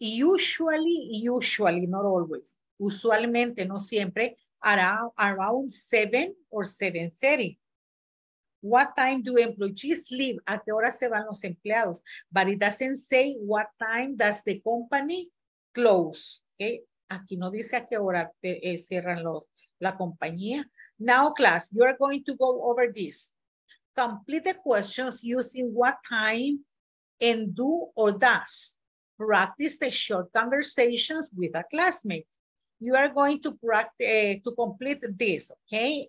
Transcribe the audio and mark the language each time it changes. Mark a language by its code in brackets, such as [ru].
[en] Usually, not always. Usualmente, no siempre, around 7 or 7:30. What time do employees leave? ¿A qué hora se van los empleados? But it doesn't say what time does the company close. Okay? [es] Aquí no dice a qué hora cierran la compañía. [en] Now, class, you are going to go over this. Complete the questions using what time and do or does. Practice the short conversations with a classmate. You are going to practice to complete this, okay?